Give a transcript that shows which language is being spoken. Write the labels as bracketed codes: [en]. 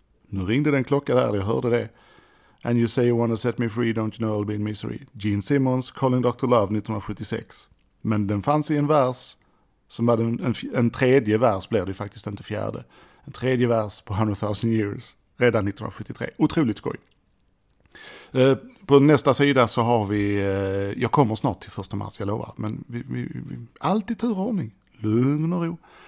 [sv] Nu ringde den klocka där, jag hörde det. [en] And you say you wanna set me free, don't you know I'll be in misery. Gene Simmons, Calling Dr. Love, 1976. [sv] Men den fanns i en vers som var en tredje vers, blev det faktiskt inte fjärde. En tredje vers på 100,000 years redan 1973. Otroligt skoj. På nästa sida så har vi, jag kommer snart till 1 mars, jag lovar, men vi allt i turordning, lugn och ro.